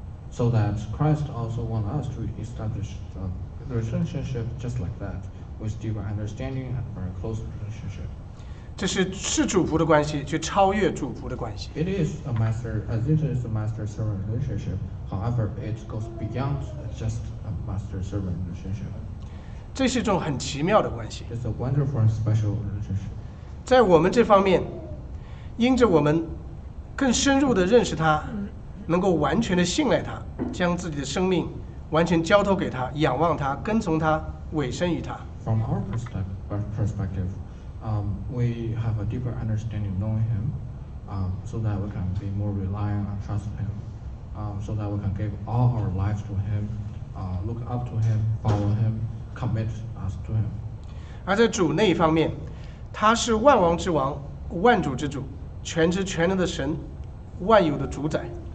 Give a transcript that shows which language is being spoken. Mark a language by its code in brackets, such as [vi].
[en] So that Christ also wants us to establish the relationship just like that, with deeper understanding and very close relationship. [zh] 这是是主仆的关系，去超越主仆的关系。 [en] It is a master, as it is a master-servant relationship. However, it goes beyond just a master-servant relationship. [zh] 这是一种很奇妙的关系。 [en] It's a wonderful and special relationship. [zh] 在我们这方面，因着我们更深入地认识他，能够完全地信赖他，将自己的生命完全交托给他，仰望他，跟从他，委身于他。 [en] From our perspective, we have a deeper understanding of knowing him, so that we can be more reliant and trust him, so that we can give all our lives to him, look up to him, follow him. Commit us to him. [zh] 而在主那一方面，他是万王之王，万主之主，全知全能的神，万有的主宰。